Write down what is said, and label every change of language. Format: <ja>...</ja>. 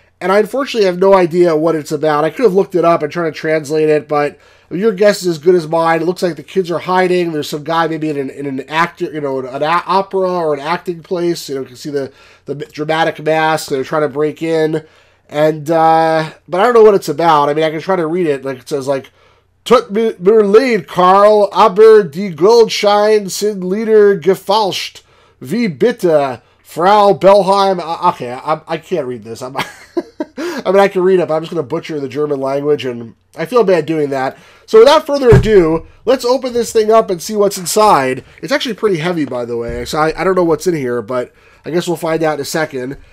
<en>And I unfortunately have no idea what it's about. I could have looked it up and tried to translate it, but your guess is as good as mine. It looks like the kids are hiding. There's some guy maybe in an opera or an acting place. You know, you can see the dramatic mask. They're trying to break in. And but I don't know what it's about. I mean, I can try to read it. Like it says, like,</en> <de>Tut mir leid, Karl, aber die Goldschein sind leider gefälscht. Wie bitte?</de> <en>Frau Bellheim, okay, I can't read this. I mean, I can read it, but I'm just going to butcher the German language, and I feel bad doing that. So without further ado, let's open this thing up and see what's inside. It's actually pretty heavy, by the way, so I don't know what's in here, but I guess we'll find out in a second.</en>